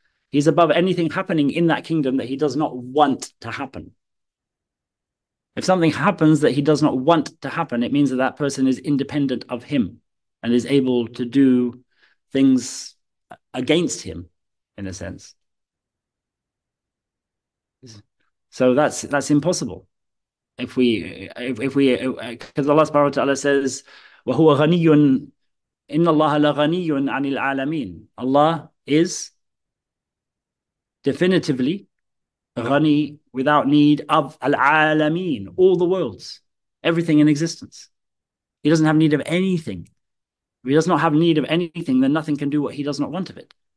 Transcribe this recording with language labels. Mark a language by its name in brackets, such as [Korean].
[English] He's above anything happening in that kingdom that he does not want to happen. If something happens that he does not want to happen, it means that that person is independent of him and is able to do things against him, in a sense. So that's impossible. Because Allah subhanahu wa ta'ala says, [Arabic] وَهُوَ غَنِيٌّ إِنَّ اللَّهَ لَغَنِيٌّ عَنِ الْعَالَمِينَ. [English] Allah is definitively غَنِي without need of al-alamin, all the worlds, everything in existence. He doesn't have need of anything. If he does not have need of anything, then nothing can do what he does not want of it.